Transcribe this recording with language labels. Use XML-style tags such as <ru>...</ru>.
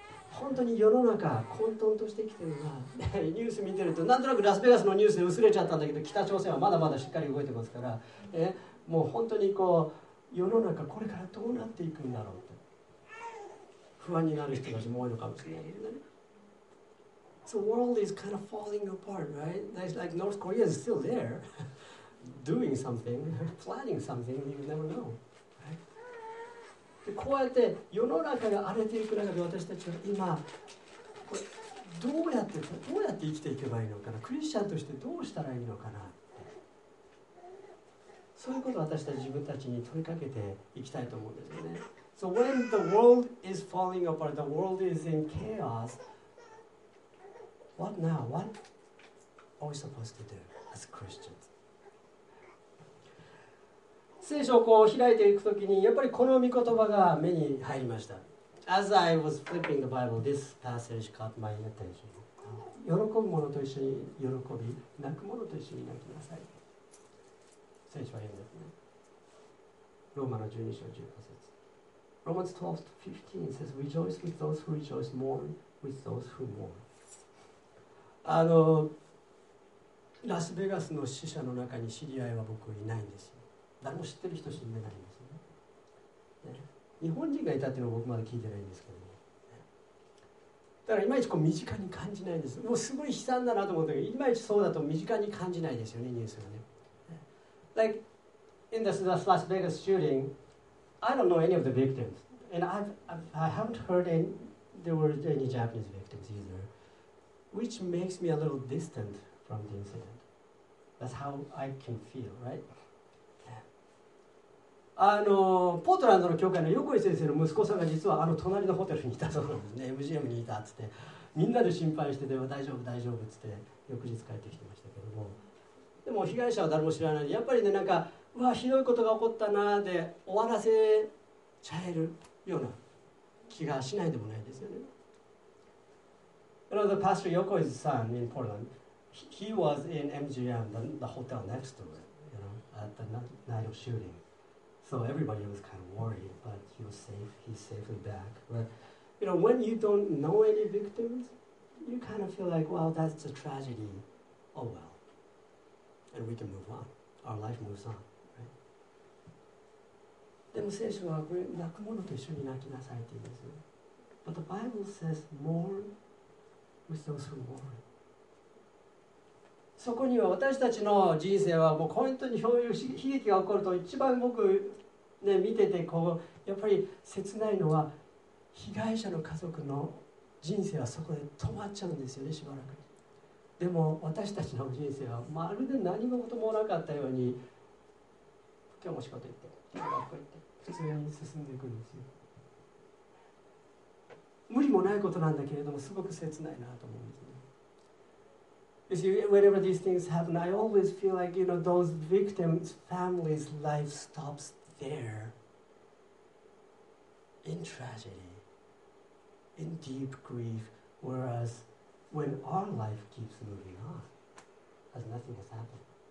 <ja>本当に世の中混沌としてきてるな。ニュース見てるとなんとなくラスベガスのニュースで薄れちゃったんだけど、北朝鮮はまだまだしっかり動いてますから、もう本当にこう世の中これからどうなっていくんだろうって不安になる人たちも多いのかもしれないけどね。</ja> <en>So world is kind of falling apart, right? That's like North Korea is still there, doing something, planning something, you never know.</en> <ja>こうやって世の中が荒れていく中で、私たちは今これどうやって生きていけばいいのかな、クリスチャンとしてどうしたらいいのかなって、そういうことを私たち自分たちに問いかけていきたいと思うんですよね。</ja> <en>So when the world is falling apart, the world is in chaos, what now? What are we supposed to do as Christians?</en> <ja>聖書をこう開いていくときに、やっぱりこの御言葉が目に入りました。</ja> <en>As I was flipping the Bible, this passage caught my attention.</en> <ja>喜ぶ者と一緒に喜び、泣く者と一緒に泣きなさい。聖書は言うんですね。ローマの12章15節。</ja> <en>Romans 12 to 15 says, Rejoice with those who rejoice, mourn with those who mourn.</en> <ja>ラスベガスの死者の中に知り合いは僕いないんですよ。誰も知ってる人死んでないんですよ、ね、日本人がいたっていうのを僕まだ聞いてないんですけど、ね、だからいまいちこう身近に感じないんです。もうすごい悲惨だなと思ったけど、いまいちそうだと身近に感じないですよね、ニュースがね。</ja> <en>Like in this Las Vegas shooting, I don't know any of the victims, and I haven't heard there were any Japanese victims either, which makes me a little distant from the incident. That's how I can feel, right?</en> <ja>ポートランドの教会の横井先生の息子さんが実はあの隣のホテルにいたそうなんですね。 MGM にいたっつって、みんなで心配してて、大丈夫大丈夫っつって翌日帰ってきてましたけども、でも被害者は誰も知らない。やっぱりね、なんかうわひどいことが起こったなで終わらせちゃえるような気がしないでもないですよね。</ja> <en>You know, the pastor Yokoi's son in Portland, he was in MGM, the hotel next to it, you know, at the night of shootingSo everybody was kind of worried, but he was safe, he's safely back. But, you know, when you don't know any victims, you kind of feel like, well, that's a tragedy. Oh, well. And we can move on. Our life moves on, right?</en> <ja>でも聖書は泣く者と一緒に泣きなさいって言うんですよ。</ja> <en>But the Bible says more with those who mourn.</en> <ja>そこには私たちの人生はもう本当にそういう悲劇が起こると一番僕、ね、見ててこうやっぱり切ないのは被害者の家族の人生はそこで止まっちゃうんですよね、しばらく。でも私たちの人生はまるで何事もなかったように今日も仕事行って、今日も学校行って普通に進んでいくんですよ。無理もないことなんだけれどもすごく切ないなと思うんですね。</ja> <en>You see, whenever these things happen, I always feel like, you know, those victims' families' life stops there. In tragedy. In deep grief. Whereas, when our life keeps moving on, as nothing has happened.</en>